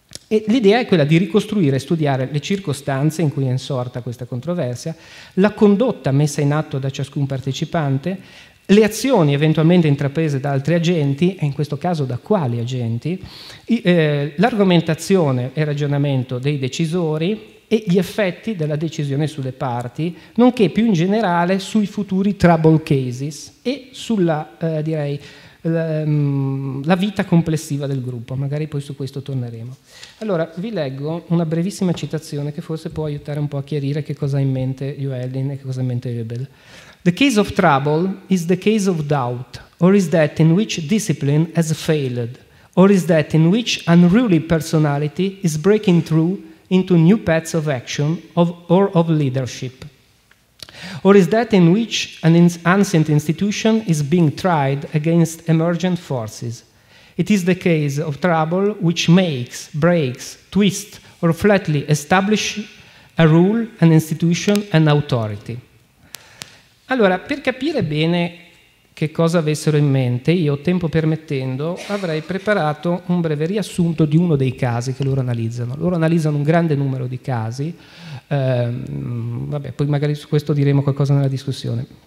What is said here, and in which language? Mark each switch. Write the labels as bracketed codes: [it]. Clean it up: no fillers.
[it] E l'idea è quella di ricostruire e studiare le circostanze in cui è insorta questa controversia, la condotta messa in atto da ciascun partecipante, le azioni eventualmente intraprese da altri agenti, e in questo caso da quali agenti, l'argomentazione e ragionamento dei decisori e gli effetti della decisione sulle parti, nonché più in generale sui futuri trouble cases e sulla, la vita complessiva del gruppo. Magari poi su questo torneremo. Allora, vi leggo una brevissima citazione che forse può aiutare un po' a chiarire che cosa ha in mente Llewellyn e che cosa ha in mente Ebel. [en] The case of trouble is the case of doubt, or is that in which discipline has failed, or is that in which unruly personality is breaking through into new paths of action or of leadership, or is that in which an ancient institution is being tried against emergent forces. It is the case of trouble which makes, breaks, twists, or flatly establishes a rule, an institution, an authority. [it] Allora, per capire bene che cosa avessero in mente, io, tempo permettendo, avrei preparato un breve riassunto di uno dei casi che loro analizzano. Loro analizzano un grande numero di casi, poi magari su questo diremo qualcosa nella discussione.